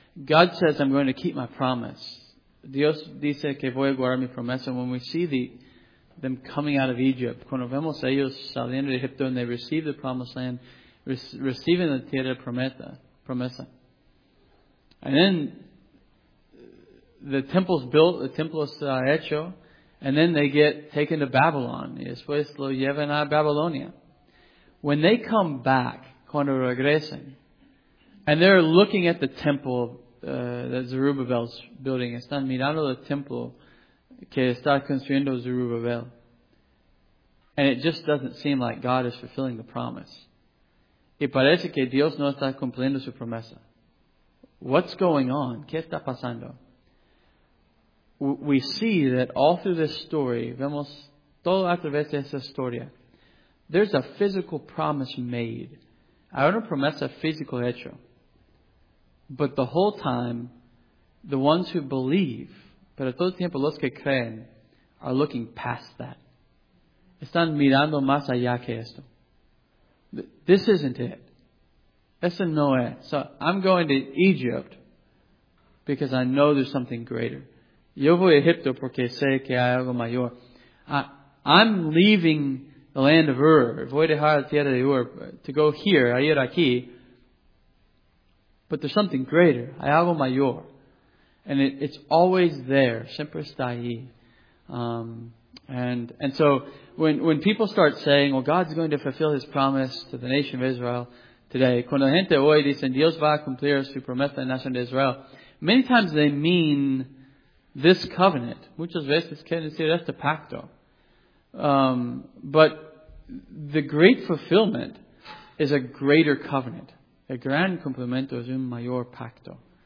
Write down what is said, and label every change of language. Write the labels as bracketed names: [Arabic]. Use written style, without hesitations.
[English] God says I'm going to keep my promise. [Spanish] Dios dice que voy a guardar mi promesa. [English] When we see them coming out of Egypt, [Spanish] cuando vemos ellos saliendo de Egipto [English] and they receive the promised land, receiving the [Spanish] tierra promesa. [English] And then the temple's built, the temple's hecho, and then they get taken to Babylon. [Spanish] Y después lo llevan a Babilonia. [English] When they come back, [Spanish] cuando regresan, [English] and they're looking at the temple that Zerubbabel's building, [Spanish] están mirando el templo que está construyendo Zerubbabel. [English] And it just doesn't seem like God is fulfilling the promise. [Spanish] Y parece que Dios no está cumpliendo su promesa. [English] What's going on? [Spanish] ¿Qué está pasando? [English] We see that all through this story, [Spanish] vemos todo a través de esa historia, [English] there's a physical promise made. [Spanish] Hay una promesa física hecha. [English] But the whole time, the ones who believe, [Spanish] pero todo el tiempo los que creen, [English] are looking past that. [Spanish] Están mirando más allá que esto. [English] This isn't it. [Spanish] Esa no es. [English] So I'm going to Egypt because I know there's something greater. [Spanish] Yo voy a Egipto porque sé que hay algo mayor. [English] I'm leaving the land of Ur. [Spanish] Voy a dejar la tierra de Ur [English] to go here, [Spanish] a ir aquí. [English] But there's something greater. [Spanish] Hay algo mayor. [English] And it's always there. [Spanish] Siempre está ahí. [English] And so when people start saying, well, God's going to fulfill His promise to the nation of Israel, today, [Spanish] cuando la gente hoy dice Dios va a cumplir su promesa en la nación de Israel, [English] many times they mean this covenant. [Spanish] Muchas veces quieren decir este pacto. [English] But the great fulfillment is a greater covenant. [Spanish] El gran cumplimiento es un mayor pacto.